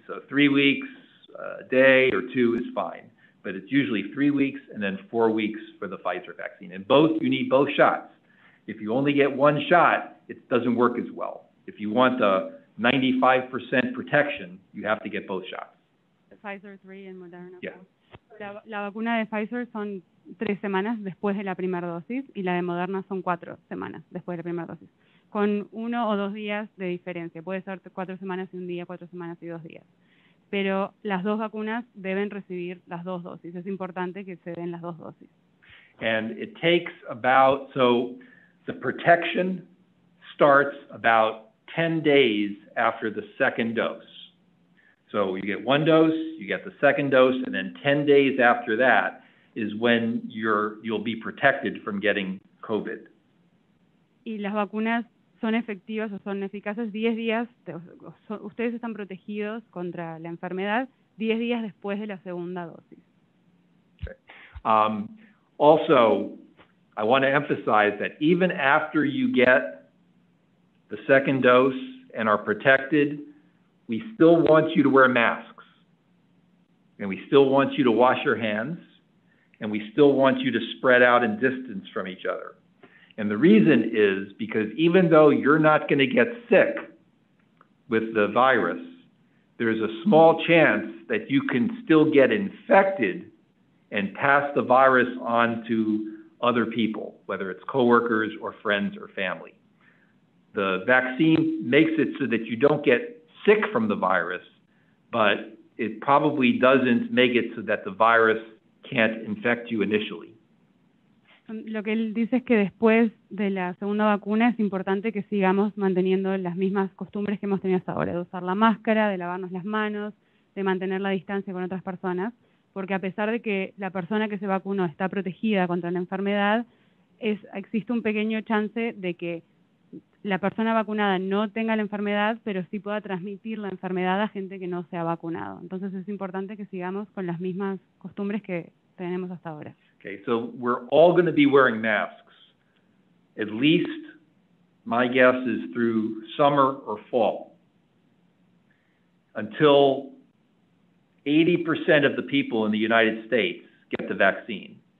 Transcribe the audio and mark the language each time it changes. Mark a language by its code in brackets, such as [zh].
[en] So 3 weeks, a day or two is fine. But it's usually 3 weeks and then 4 weeks for the Pfizer vaccine. And both, you need both shots. If you only get one shot, it doesn't work as well. If you want the 95% protection, you have to get both shots. Pfizer 3 and Moderna. Yeah. [es] La vacuna de Pfizer son 3 semanas después de la primera dosis y la de Moderna son 4 semanas después de la primera dosis, con 1 o 2 días de diferencia. Puede ser 4 semanas y un día, 4 semanas y 2 días. Pero las dos vacunas deben recibir las dos dosis. Es importante que se den las dos dosis. [en] And it takes about, so the protection starts about 10 days after the second dose. So you get one dose, you get the second dose, and then 10 days after that is when you'll be protected from getting COVID. [es] Y las vacunas son efectivas o son eficaces 10 días, ustedes están protegidos contra la enfermedad 10 días después de la segunda dosis. [en] Also, I want to emphasize that even after you get the second dose and are protected, we still want you to wear masks, and we still want you to wash your hands, and we still want you to spread out and distance from each other. And the reason is because even though you're not going to get sick with the virus, there's a small chance that you can still get infected and pass the virus on to other people, whether it's coworkers or friends or family. The vaccine makes it so that you don't get sick from the virus, but it probably doesn't make it so that the virus can't infect you initially. [es] Lo que él dice es que después de la segunda vacuna es importante que sigamos manteniendo las mismas costumbres que hemos tenido hasta ahora, de usar la máscara, de lavarnos las manos, de mantener la distancia con otras personas, porque a pesar de que la persona que se vacunó está protegida contra la enfermedad, existe un pequeño chance de que la persona vacunada no tenga la enfermedad, pero sí pueda transmitir la enfermedad a gente que no se ha vacunado. Entonces es importante que sigamos con las mismas costumbres que tenemos hasta ahora. [en] Okay, so we're all going to be wearing masks, at least my guess is through summer or fall, until 80% of the people in the United States get the vaccine.